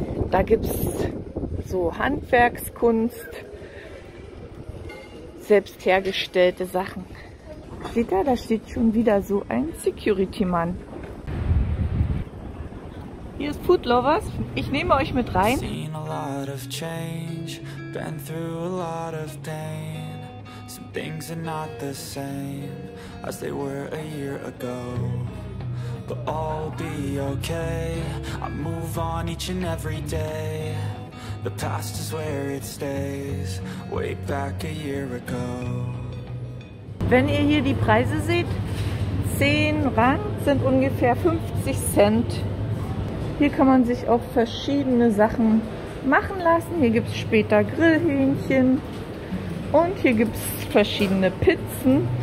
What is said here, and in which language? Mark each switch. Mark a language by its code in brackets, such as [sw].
[de] Da gibt es so Handwerkskunst, selbst hergestellte Sachen. Seht ihr, da steht schon wieder so ein Security-Mann. Hier ist Food Lovers, ich nehme euch mit rein. [en] Seen a lot of change, been through a lot of pain. Some things are not the same, as they were a year ago. But I'll be okay, I move on each and every day. The past is where it stays, way back a year ago. [de] Wenn ihr hier die Preise seht, 10 Rand sind ungefähr 50 Cent. Hier kann man sich auch verschiedene Sachen machen lassen. Hier gibt es später Grillhähnchen und hier gibt es verschiedene Pizzen.